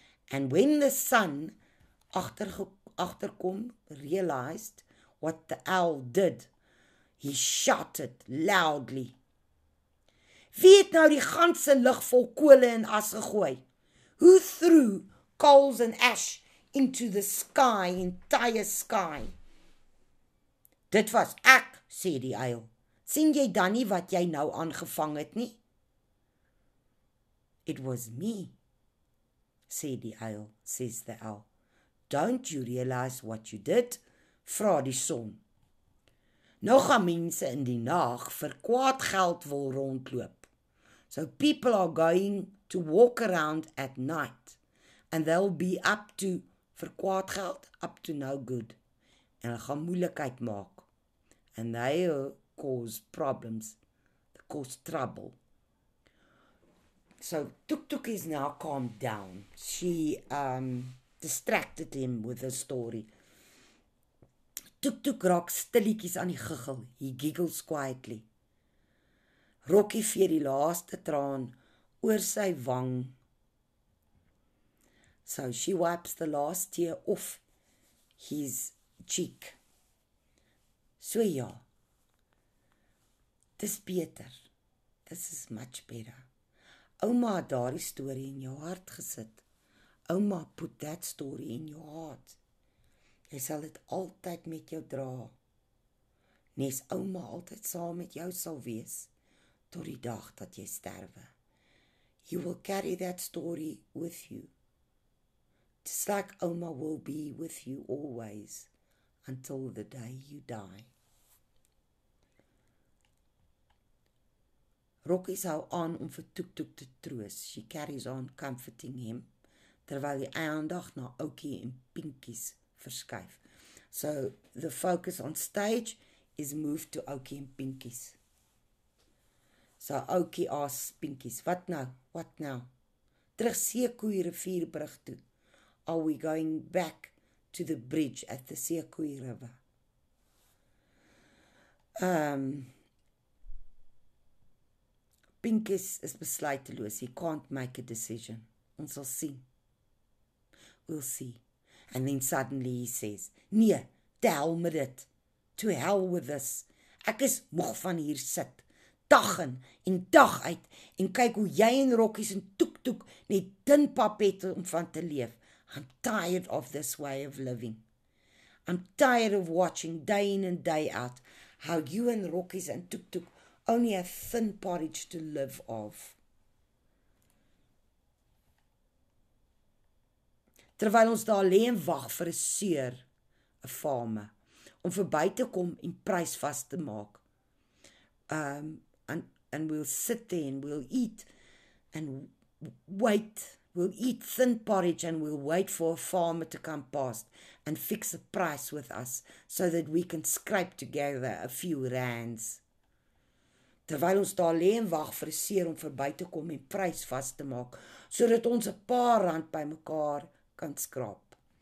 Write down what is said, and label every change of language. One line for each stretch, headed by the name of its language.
English: And when the sun achterkom realized what the owl did, he shouted loudly,
Afrikaans: wie het nou die ganse lig vol kole en as gegooi?
English: Who threw coals and ash into the sky, entire sky?
Afrikaans: Dit was ek, sê die uil. Sien jy dan nie wat jy nou aangevang het nie?
English: It was me,
Afrikaans: sê die uil,
English: says the owl. Don't you realize what you did?
Afrikaans: Vra die son. Nou gaan mense in die nag vir kwaad geld wil rondloop.
English: So people are going to walk around at night and they'll be up to,
Afrikaans: vir kwaad geld,
English: up to no good.
Afrikaans: En hulle gaan moeilikheid maak.
English: And they cause problems, they cause trouble. So Tuk Tuk is now calmed down. She distracted him with her story.
Afrikaans: Tuk-tuk raak stilletjies aan die giggel.
English: He giggles quietly.
Afrikaans: Rocky vee die laaste traan oor sy wang.
English: So she wipes the last tear off his cheek.
Afrikaans: So ja, dis beter.
English: This is much better.
Afrikaans: Oma het daardie story in jou hart gesit.
English: Oma put that story in your heart.
Afrikaans: Jy sal dit altyd met jou dra. Nes oma altyd saam met jou sal wees, tot die dag dat jy sterwe.
English: You will carry that story with you. Just like oma will be with you always, until the day you die.
Afrikaans: Rocky hou aan om vir Tuk-Tuk te troos.
English: She carries on comforting him,
Afrikaans: terwyl die aandag na Oukie en Pinkies verskuif.
English: So the focus on stage is moved to Oukie en Pinkies. So Oukie asks Pinkies,
Afrikaans: wat nou? Wat nou? Terug Seekoei rivierbrug toe.
English: Are we going back to the bridge at the Seekoei River?
Afrikaans: Pinkies is besluiteloos.
English: He can't make a decision.
Afrikaans: Ons sal sien.
English: We'll see. And then suddenly he says, nee, to hell with it. To hell with this.
Afrikaans: Ek is moeg van hier sit. Dag in en dag uit. En kyk hoe jy en Rokkies en Tuk-Tuk net din pap het om van te leef.
English: I'm tired of this way of living. I'm tired of watching day in and day out how you and Rokkies and Tuk-Tuk only have thin porridge to live off.
Afrikaans: Terwyl ons daar lê en wag vir 'n seer, 'n fame, om verby te kom en prys vas te maak.
English: And we'll sit there and we'll eat and wait. We'll eat thin porridge and we'll wait for a farmer to come past and fix a price with us so that we can scrape together a few rands.
Afrikaans: Terwyl ons daar lê en wag vir 'n seer om verby te kom en prys vas te maak, sodat ons 'n paar rand by mekaar kan skraap.